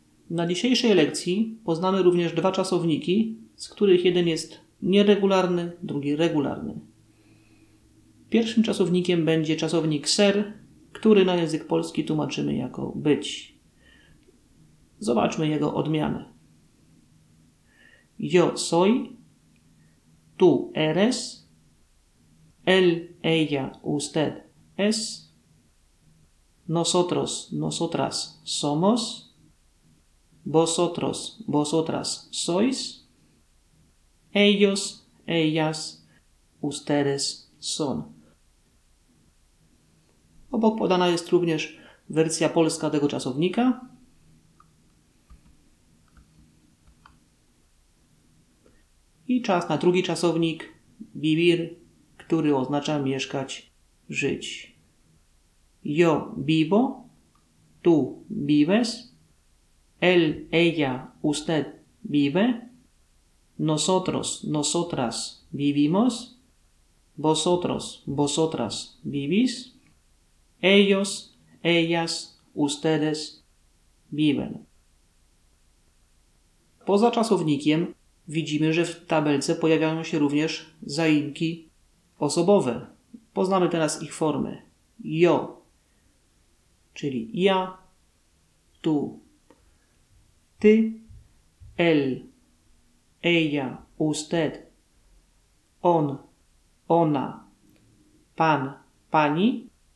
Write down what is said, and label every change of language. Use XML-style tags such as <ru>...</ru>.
<pl>Na dzisiejszej lekcji poznamy również dwa czasowniki, z których jeden jest nieregularny, drugi regularny. Pierwszym czasownikiem będzie czasownik ser, który na język polski tłumaczymy jako być. Zobaczmy jego odmianę.</pl> <es>Yo soy, tú eres, él, ella, usted es, nosotros, nosotras somos, vosotros, vosotras sois, ellos, ellas, ustedes son.</es> <pl>Obok podana jest również wersja polska tego czasownika. I czas na drugi czasownik, vivir, który oznacza mieszkać, żyć.</pl> <es>Yo vivo, tú vives, él, ella, usted vive, nosotros, nosotras vivimos, vosotros, vosotras vivís, ellos, ellas, ustedes viven.</es> <pl>Poza czasownikiem widzimy, że w tabelce pojawiają się również zaimki osobowe. Poznamy teraz ich formy. Yo, czyli ja, tu, ty,</pl> <es>él, ella, usted,</es> <pl>on, ona, pan, pani.</pl>